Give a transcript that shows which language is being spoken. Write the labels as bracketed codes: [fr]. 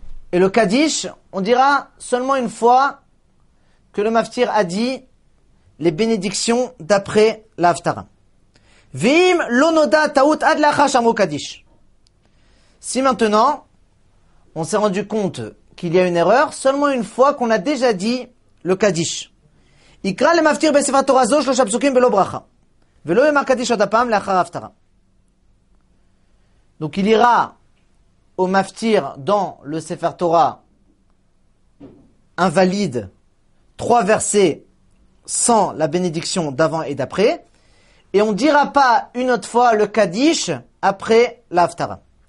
[fr] Et le kadish, on dira seulement une fois que le maftir a dit les bénédictions d'après l'haftara. [he] Vim lonoda taout ad le'achar shamo kadish. [fr] Si maintenant on s'est rendu compte qu'il y a une erreur, seulement une fois qu'on a déjà dit le kadish. [he] יקרא למפטיר בספר תורה זו שלושה פסוקים בלא ברכה. ולא יאמר קדיש עוד הפעם לאחר ההפטרה. [fr] Donc il ira au maftir dans le Sefer Torah invalide trois versets sans la bénédiction d'avant et d'après. Et on dira pas une autre fois le kadish après l'haftara.